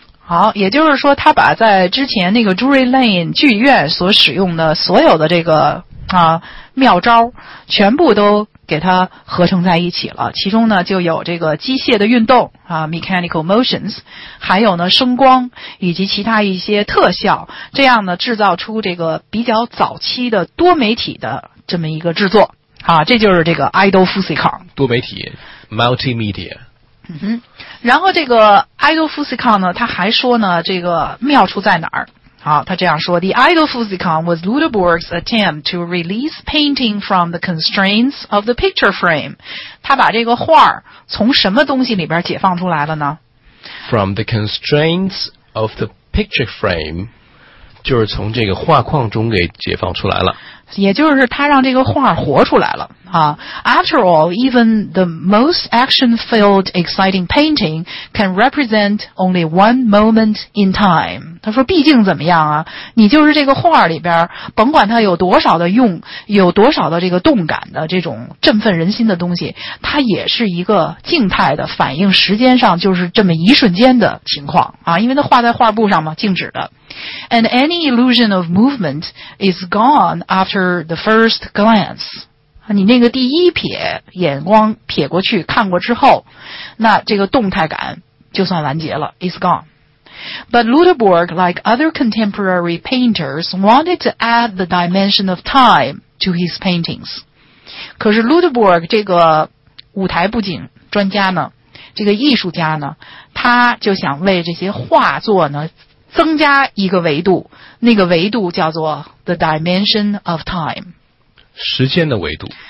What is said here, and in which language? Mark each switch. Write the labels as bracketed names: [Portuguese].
[Chinese] 好，也就是说他把在之前那个 Drury Lane 剧院所使用的所有的这个啊妙招全部都给他合成在一起了，其中呢就有这个机械的运动啊 [English] mechanical motions, [Chinese] 还有呢声光以及其他一些特效，这样呢制造出这个比较早期的多媒体的这么一个制作啊，这就是这个 Eidophysikon 多媒体 multimedia。嗯、然后这个 Eidophysikon 呢，他还说呢，这个妙处在哪儿？好，他这样说 [English] ：The Eidophysikon was Lüterborg's attempt to release painting from the constraints of the picture frame. [Chinese] 他把这个画从什么东西里边解放出来了呢？ [English] From the constraints of the picture frame， [Chinese] 就是从这个画框中给解放出来了。也就是他让这个画活出来了啊。 [English] After all, even the most action-filled exciting painting can represent only one moment in time. [Chinese] 他说毕竟怎么样啊，你就是这个画里边甭管它有多少的用，有多少的这个动感的这种振奋人心的东西，它也是一个静态的反应，时间上就是这么一瞬间的情况啊，因为它画在画布上嘛，静止的。 [English] And any illusion of movement is gone after the first glance. [Chinese] 你那个第一瞥，眼光瞥过去，看过之后，那这个动态感就算完结了 ， [English] is gone. But Lüterborg, like other contemporary painters, wanted to add the dimension of time to his paintings. [Chinese] 可是 Lüterborg 这个舞台布景专家呢，这个艺术家呢，他就想为这些画作呢增加一个维度，那个维度叫做 [English] the dimension of time， [Chinese] 时间的维度。